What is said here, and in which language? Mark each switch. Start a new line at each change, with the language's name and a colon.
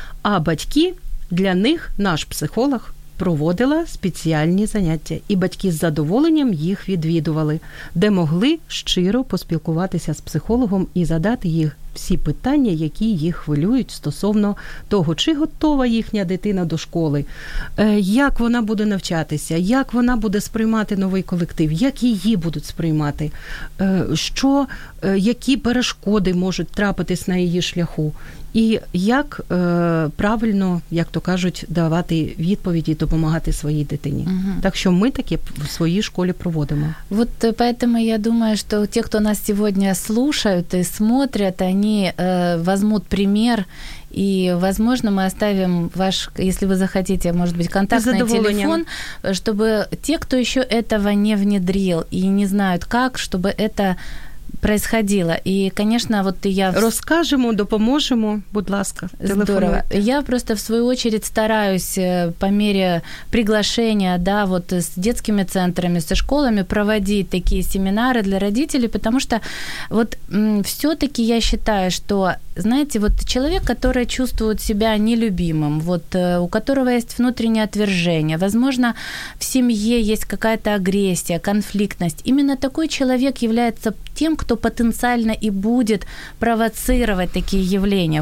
Ukrainian: А батьки, для них наш психолог проводила спеціальні заняття, і батьки з задоволенням їх відвідували, де могли щиро поспілкуватися з психологом і задати їх всі питання, які їх хвилюють стосовно того, чи готова їхня дитина до школи, як вона буде навчатися, як вона буде сприймати новий колектив, як її будуть сприймати, що, які перешкоди можуть трапитись на її шляху. І як правильно, як то кажуть, давати відповіді, допомагати своїй дитині. Угу. Так що ми таке в своїй школі проводимо.
Russian: Вот поэтому я думаю, что те, кто нас сегодня слушают и смотрят, они возьмут пример. И, возможно, мы оставим ваш, если вы захотите, может быть, контактный телефон, чтобы те, кто еще этого не внедрил и не знают как, чтобы это... происходило. И, конечно, вот я...
Ukrainian: Расскажемо, допоможемо, будь ласка, телефонуйте.
Russian: Здорово. Я просто, в свою очередь, стараюсь по мере приглашения, да, вот с детскими центрами, со школами проводить такие семинары для родителей, потому что вот все-таки я считаю, что, знаете, вот человек, который чувствует себя нелюбимым, вот у которого есть внутреннее отвержение, возможно, в семье есть какая-то агрессия, конфликтность, именно такой человек является тем, кто потенциально и будет провоцировать такие явления.